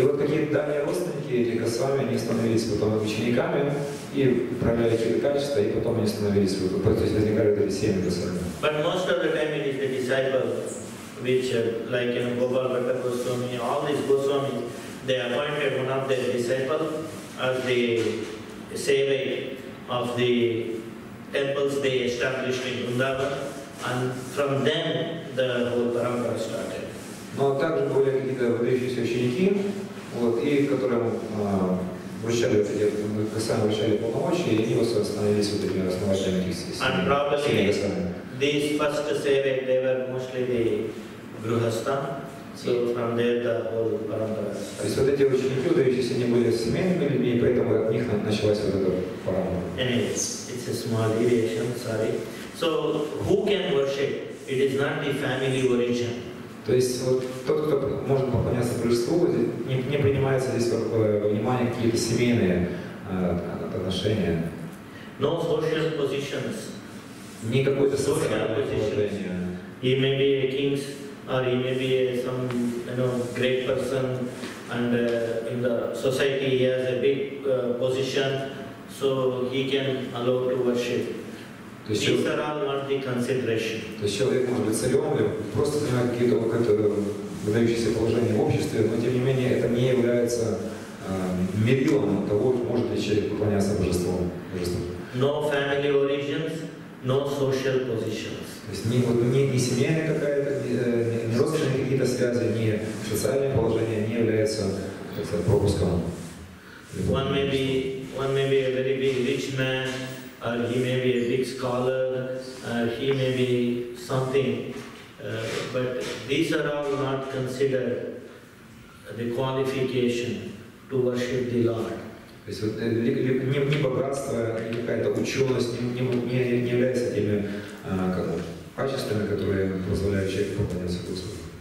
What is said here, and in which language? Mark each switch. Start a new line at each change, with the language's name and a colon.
Russian: И вот какие-то дальние родственники этих Госвами, они становились потом учениками и проявляли какие-то качества, и потом они становились, то есть возникали эти семьи Госвами.
English: But most of the time it is the disciple, which like in Gopal Bhatta Goswami, all these Goswami, they appointed one of their disciples as the sevak of the temples they established in Vrindavan, and from them the whole parampara started.
Russian: Но также были какие-то выдающиеся ученики, вот, и которым вручали полномочия, и они становились вот этими основателями этих семей.
English: And probably these first sevak, they were mostly the grihastha, so from there the whole parampara.
Russian: То есть вот эти ученики выдающиеся, они были семейными людьми, и поэтому от них началась вот эта парампара.
English: Anyways, it's a small deviation, sorry. So who can worship? It is not the family origin.
Russian: То есть вот тот, кто может поклоняться Божеству, не принимается здесь внимание какие-то семейные отношения.
English: No social positions.
Russian: Никакой социальной позиции.
English: He may be a king, or he may be some great person, and in the society he has a big position. so he can allow to worship. These are all worthy consideration.
Russian: То есть человек может быть царем, просто занимает какие-то выдающиеся положения в обществе, но тем не менее это не является мерилом того, может ли человек поклоняться божеством.
English: No family origins, no social positions.
Russian: То есть не семейная какая-то, не родственные какие-то связи, не социальное положение не является, так сказать, пропуском.
English: One may be a very big rich man, or he may be a big scholar, or he may be something, but these are all not considered the qualification to worship the Lord.
Russian: То есть не богатство, не какая-то ученость не является теми качествами, которые позволяют человеку поклоняться Господу.